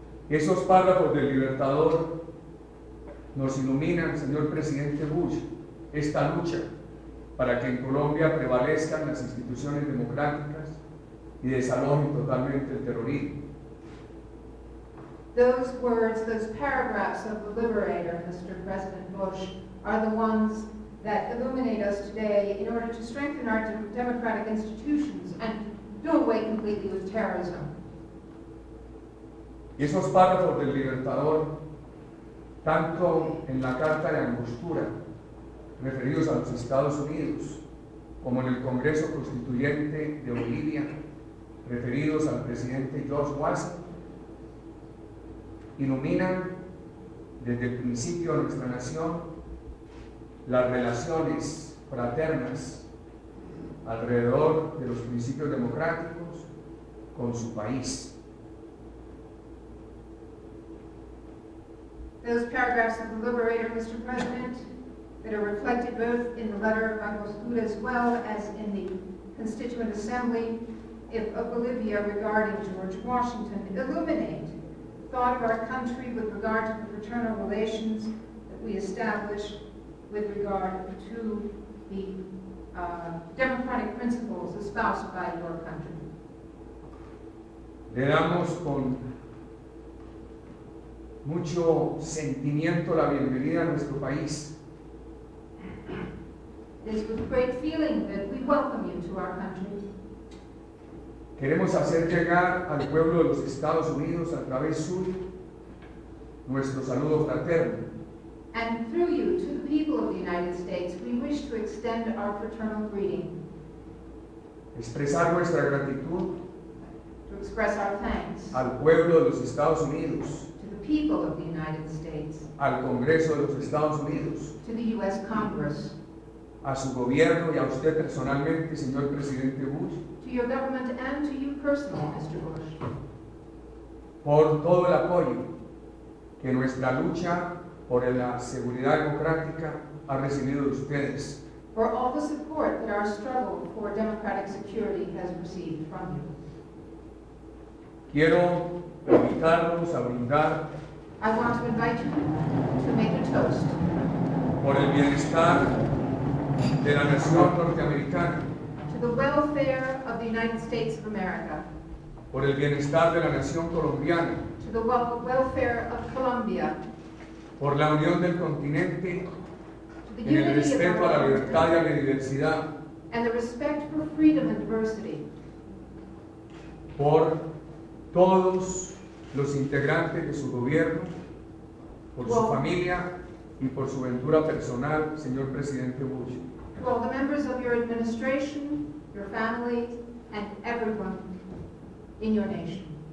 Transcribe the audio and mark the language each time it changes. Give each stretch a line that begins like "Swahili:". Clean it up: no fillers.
Spanish: Esos párrafos del Libertador nos iluminan, señor presidente Bush, esta lucha para que en Colombia prevalezcan las instituciones democráticas y desalojen totalmente el terrorismo.
English: Those words, those paragraphs of the Liberator, Mr. President Bush, are the ones that illuminate us today in order to strengthen our democratic institutions and do away completely with terrorism.
Spanish: Esos párrafos del Libertador, tanto en la Carta de Angostura, referidos a los Estados Unidos, como en el Congreso Constituyente de Bolivia, referidos al presidente George Washington, iluminan desde el principio de nuestra nación las relaciones fraternas alrededor de los principios democráticos con su país.
English: Those paragraphs of the Liberator, Mr. President, that are reflected both in the letter of Michael Scoot as well as in the Constituent Assembly of Bolivia regarding George Washington, illuminate thought of our country with regard to the fraternal relations that we establish with regard to the democratic principles espoused by your country.
Spanish: Le damos con mucho sentimiento la bienvenida a nuestro país.
English: It is with great feeling that we welcome you to our country.
Spanish: Queremos hacer llegar al pueblo de los Estados Unidos a través suyo nuestro saludo fraterno.
English: And through you to the people of the United States, we wish to extend our fraternal greeting.
Spanish: Expresar nuestra gratitud.
English: To express our thanks.
Spanish: Al pueblo de los Estados Unidos.
English: To the people of the United States.
Spanish: Al Congreso de los Estados Unidos.
English: To the U.S. Congress.
Spanish: A su gobierno y a usted personalmente, señor presidente Bush.
English: To your government and to you personally, Mr. Bush.
Spanish: Por todo el apoyo que nuestra lucha por la seguridad democrática ha recibido de ustedes.
English: For all the support that our struggle for democratic security has received from you.
Spanish: Quiero invitarlos a brindar.
English: I want to invite you to make a toast.
Spanish: Por el bienestar de la nación norteamericana.
English: To the welfare of the United States of America.
Spanish: Por el bienestar de la nación colombiana.
English: To the welfare of Colombia.
Spanish: Por la unión del continente.
English: To the unity
Spanish: en el respeto a la libertad y a la diversidad.
English: And the respect for freedom and diversity.
Spanish: Por todos los integrantes de su gobierno, por su familia y por su ventura personal, señor presidente Bush.
English: To all the members of your administration, your family, and everyone in your nation.